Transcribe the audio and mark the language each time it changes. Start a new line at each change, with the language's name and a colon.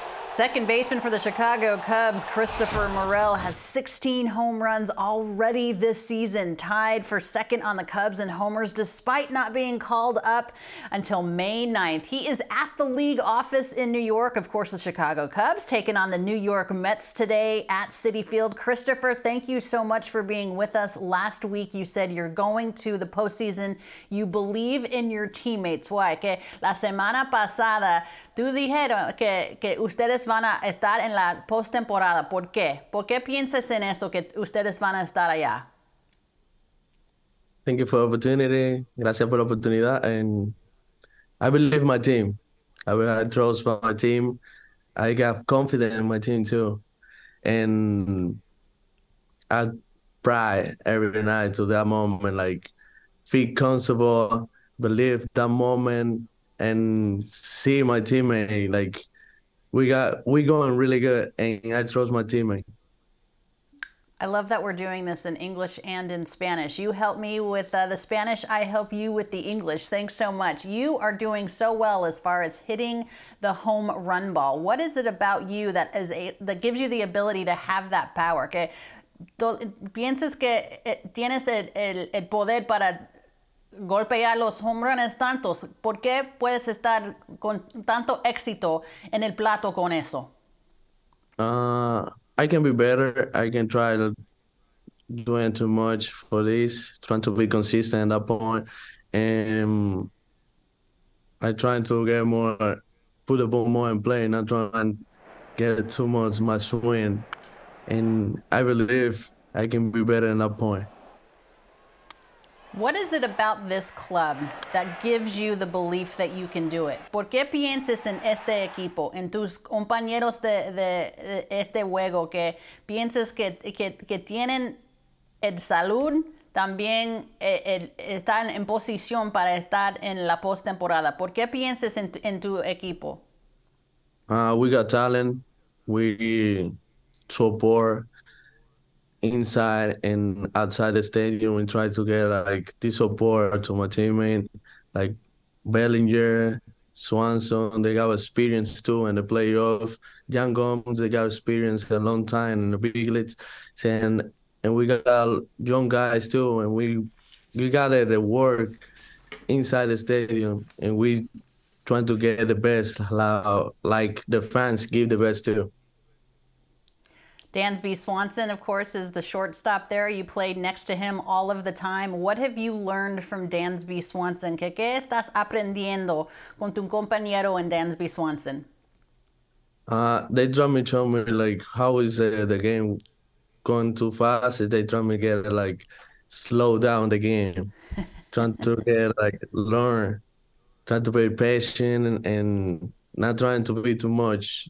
English: Second baseman for the Chicago Cubs, Christopher Morel, has 16 home runs already this season, tied for second on the Cubs in homers despite not being called up until May 9th. He is at the league office in New York, of course, the Chicago Cubs, taking on the New York Mets today at Citi Field. Christopher, thank you so much for being with us. Last week, you said you're going to the postseason. You believe in your teammates. Why?
Spanish: Que la semana pasada, tú dijeron que ustedes van a estar en la postemporada. ¿Por qué? ¿Por qué piensas en eso, que ustedes van a estar allá?
English: Thank you for the opportunity.
Spanish: Gracias por la oportunidad.
English: And I believe my team. I will have trust for my team. I got confidence in my team too. And I pray every night to that moment, like, feel comfortable, believe that moment, and see my teammate, like, we're going really good, and I trust my teammate. I love that we're doing this in English and in Spanish. You help me with the Spanish, I help you with the English. Thanks so much. You are doing so well as far as hitting the home run ball. What is it about you that is that gives you the ability to have that power?
Spanish: Que piensas que tienes el poder para golpear los home runs tantos, ¿por qué puedes estar con tanto éxito en el plato con eso?
English: I can be better. I can try doing too much for this, trying to be consistent at that point. And I try to get more, put the ball more in play, not trying to get too much my swing. And I believe I can be better at that point. What is it about this club that gives you the belief that you can do it?
Spanish: ¿Por qué piensas en este equipo, en tus compañeros de este juego, que piensas que tienen el salud, también están en posición para estar en la postemporada? ¿Por qué piensas en tu equipo?
English: We got talent. We support inside and outside the stadium, and try to get like the support to my teammate, like Bellinger, Swanson. They got experience too in the playoff. Jan Gomes, they got experience a long time in the big leagues, and we got young guys too. And we got the work inside the stadium, and we trying to get the best, like the fans give the best too. Dansby Swanson, of course, is the shortstop there. You played next to him all of the time. What have you learned from Dansby Swanson?
Spanish: ¿Qué estás aprendiendo con tu compañero en Dansby Swanson?
English: They told me, like, how is the game going too fast? They told me to get, like, slow down the game. Trying to get, like, learn. Trying to be patient and not trying to be too much.